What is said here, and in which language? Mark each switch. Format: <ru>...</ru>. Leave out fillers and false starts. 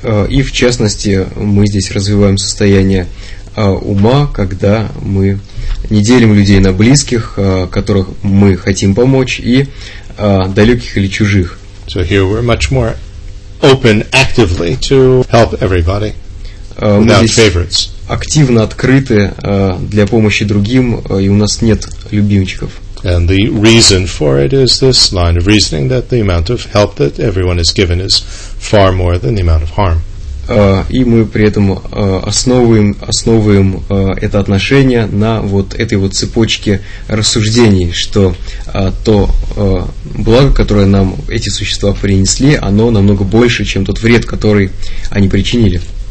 <ru>И в частности, мы здесь развиваем состояние ума, когда мы не делим людей на близких, которых мы хотим помочь, и далеких или чужих.</ru> <en>So here we're much more open actively to help everybody without favorites.</en> <ru>Активно открыты для помощи другим, и у нас нет любимчиков.</ru> <en>And the reason for it is this line of reasoning that the amount of help that everyone is given is far more than the amount of harm.</en> <ru>И мы при этом основываем это отношение на вот этой вот цепочке рассуждений, что то благо, которое нам эти существа принесли, оно намного больше, чем тот вред, который они причинили.</ru>